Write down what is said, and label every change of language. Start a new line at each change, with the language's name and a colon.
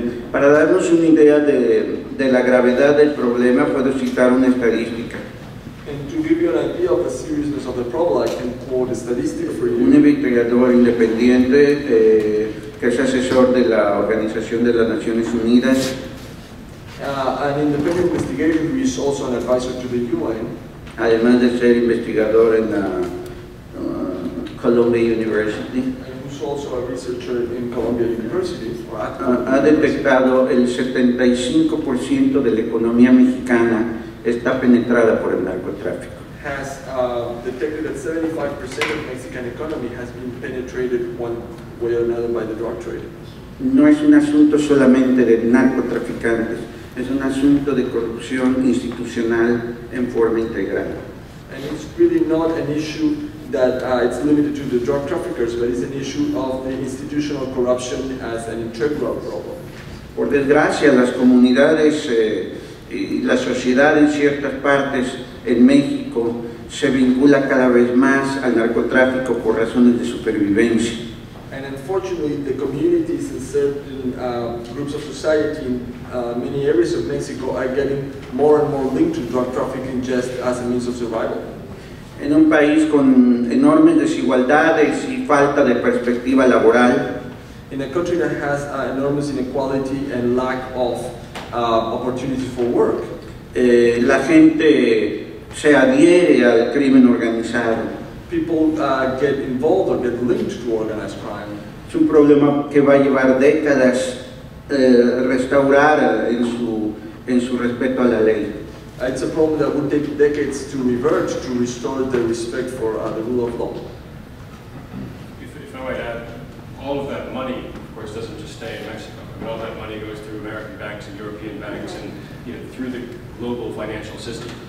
Spanish: Para darnos una idea de la gravedad del problema, puedo citar una estadística.
English: And to give you an idea of the seriousness of the problem, I can quote a statistic for you.
Spanish: Un investigador independiente que es asesor de la Organización de las Naciones Unidas.
English: An independent investigator who is also an advisor to the UN.
Spanish: Además de ser investigador en la Columbia University,
English: also a researcher in Columbia University,
Spanish: ha detectado el 75% de la economía mexicana está penetrada por el narcotráfico.
English: Has detected that 75% of Mexican economy has been penetrated one way or another by the drug trade.
Spanish: No es un asunto solamente de narcotraficantes. Es un asunto de corrupción institucional en forma integral.
English: And it's really not an issue that it's limited to the drug traffickers, but it's an issue of the institutional corruption as an integral problem.
Spanish: Por desgracia, las comunidades y la sociedad en ciertas partes en México se vincula cada vez más al narcotráfico por razones de supervivencia.
English: And unfortunately, the communities and certain groups of society in many areas of Mexico are getting more and more linked to drug trafficking just as a means of survival.
Spanish: En un país con enormes desigualdades y falta de perspectiva laboral,
English: in a country that has enormous inequality and lack of opportunity for work,
Spanish: la gente se adhiere al crimen organizado.
English: People get involved or get linked to organized crime.
Spanish: Es un problema que va a llevar décadas restaurar en su respeto a la ley.
English: It's a problem that would take decades to revert, to restore the respect for the rule of law. If I might add, all of that money, of course, doesn't just stay in Mexico. I mean, all that money goes through American banks and European banks and, you know, through the global financial system.